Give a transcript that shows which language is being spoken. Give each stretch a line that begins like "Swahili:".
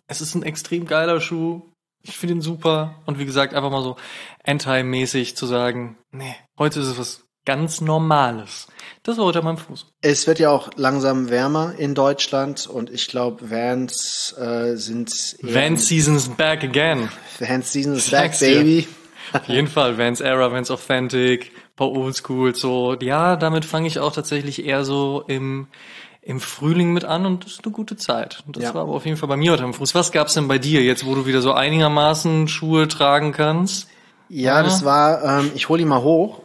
German: Es ist ein extrem geiler Schuh. Ich finde ihn super. Und wie gesagt, einfach mal so anti-mäßig zu sagen, nee, heute ist es was ganz Normales. Das war heute mein Fuß. Es wird ja auch langsam wärmer in Deutschland und ich glaube, Vans sind...
English: Vans Season is back again. Vans Season is back, baby.
German: Auf jeden Fall, Vans Era, Vans Authentic, ein paar Oldschool, so. Ja, damit fange ich auch tatsächlich eher so im Frühling mit an und das ist eine gute Zeit. Das ja. war aber auf jeden Fall bei mir heute am Fuß. Was gab's denn bei dir jetzt, wo du wieder so einigermaßen Schuhe tragen kannst? Ja, ja. Das war, ich hole ihn mal hoch.